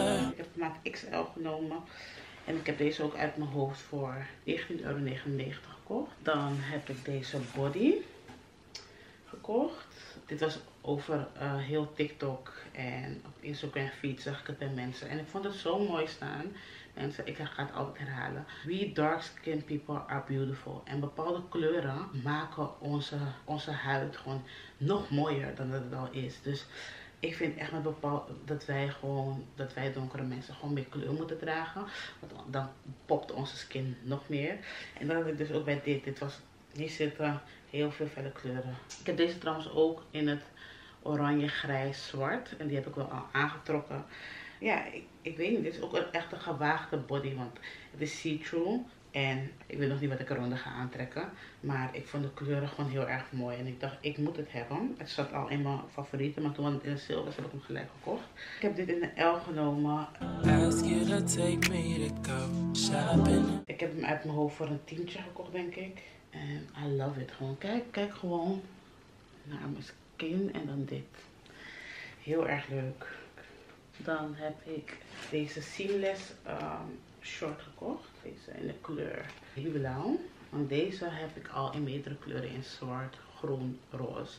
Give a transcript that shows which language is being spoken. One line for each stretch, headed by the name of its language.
Dutch: Ik heb maat XL genomen. En ik heb deze ook uit mijn hoofd voor €19,99 gekocht. Dan heb ik deze body gekocht. Dit was over heel TikTok en op Instagram feed zag ik het bij mensen. En ik vond het zo mooi staan. Mensen, ik ga het altijd herhalen.
English: We dark skin people are beautiful.
Dutch: En bepaalde kleuren maken onze huid gewoon nog mooier dan dat het al is. Dus... ik vind echt met bepaalde dat wij donkere mensen gewoon meer kleur moeten dragen. Want dan popt onze skin nog meer. En dat had ik dus ook bij dit was hier zitten heel veel felle kleuren. Ik heb deze trouwens ook in het oranje, grijs, zwart. En die heb ik wel al aangetrokken. Ja, ik weet niet. Dit is ook een echte gewaagde body. Want het is see-through. En ik weet nog niet wat ik eronder ga aantrekken. Maar ik vond de kleuren gewoon heel erg mooi. En ik dacht, ik moet het hebben. Het zat al in mijn favorieten. Maar toen het in de zilver was, heb ik hem gelijk gekocht. Ik heb dit in de L genomen.
English: Ask you to take me to go shopping.
Dutch: Ik heb hem uit mijn hoofd voor een tientje gekocht, denk ik. En
English: I love it.
Dutch: Gewoon kijk gewoon naar mijn skin. En dan dit. Heel erg leuk. Dan heb ik deze seamless short gekocht. Deze in de kleur blauw. Want deze heb ik al in meerdere kleuren in zwart, groen, roze.